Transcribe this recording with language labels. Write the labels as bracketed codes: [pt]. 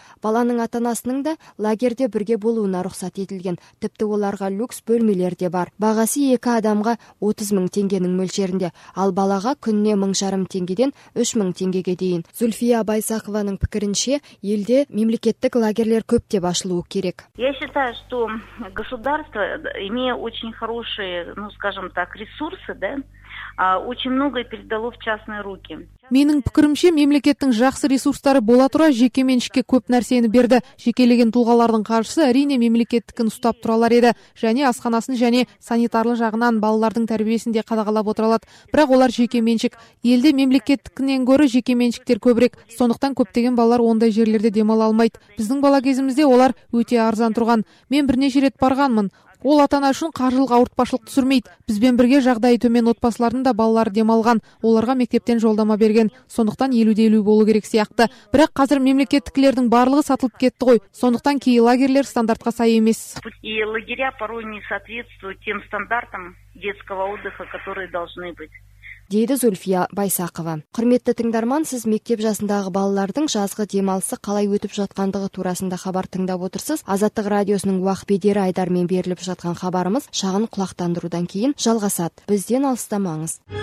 [kk] Баланың ата-анасының да лагерде бірге болуына рұқсат етілген, тіпті оларға люкс бөлмелер де бар. Бағасы екі адамға 30 мың теңгенің мөлшерінде, ал балаға күніне 1500 теңгеден 3000 теңгеге дейін. Зульфия Байсақованың пікірінше, елде мемлекеттік лагерлер көптеп ашылуы керек. [ru] Я считаю, что государство, имея очень хорошие, ну, скажем так, ресурсы, да, очень многое передало в частные руки. [kk] Менің пікірімше, мемлекеттің жақсы ресурстары бола тұра жекеменшікке көп нәрсені берді. Жекелеген тұлғалардың қаржысы әрине мемлекеттікін ұстап тұралар еді. Және асханасын және санитарлы жағынан балалардың тәрбиесін де қадағалап отыралады. Бірақ олар жекеменшік. Елде мемлекеттікінен гөрі жекеменшіктер көбірек. Сондықтан көптеген балалар ондай жерлерде демала алмайды. Біздің бала кезімізде олар өте арзан тұрған. Мен бірнеше рет барғанмын. Ол ата-ана үшін қаржылық ауыртпашылық түсірмейді. Бізбен бірге жағдайы төмен отбасылардың да балалары демалған, оларға мектептен жолдама берген. Сондықтан 50-50 болу керек сияқты. Бірақ қазір мемлекеттіктердің барлығы сатылып кетті ғой. Сондықтан кей лагерлер стандартқа сай емес. [ru] И лагеря порой не соответствуют тем стандартам детского отдыха, которые должны быть. [kk] Дейді Зульфия Байсақова. Құрметті тыңдарман, сіз мектеп жасындағы балалардың жазғы демалысы қалай өтіп жатқандығы турасында хабар тыңдап отырсыз. Азаттық радиосының уақыт бедері айдармен беріліп жатқан хабарымыз шағын құлақтандырудан кейін жалғасады. Бізден алыстамаңыз.